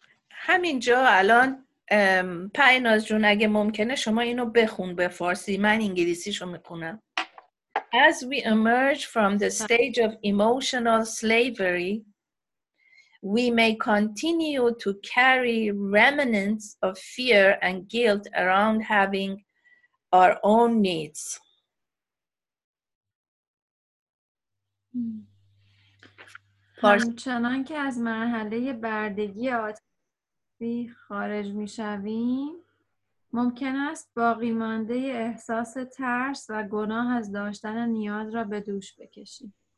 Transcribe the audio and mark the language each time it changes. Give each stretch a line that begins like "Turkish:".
Persian: همینجا الان پیناز جون اگه ممکنه شما اینو بخون به فارسی، من انگلیسیشو میخونم.
English: As we emerge from the stage of emotional slavery, we may continue to carry remnants of fear and guilt around having our own needs.
Persian: همچنان که از مرحله بردگی عاطفی خارج می شویم، ممکن است باقی مانده احساس ترس و گناه از داشتن نیاز را به دوش بکشیم.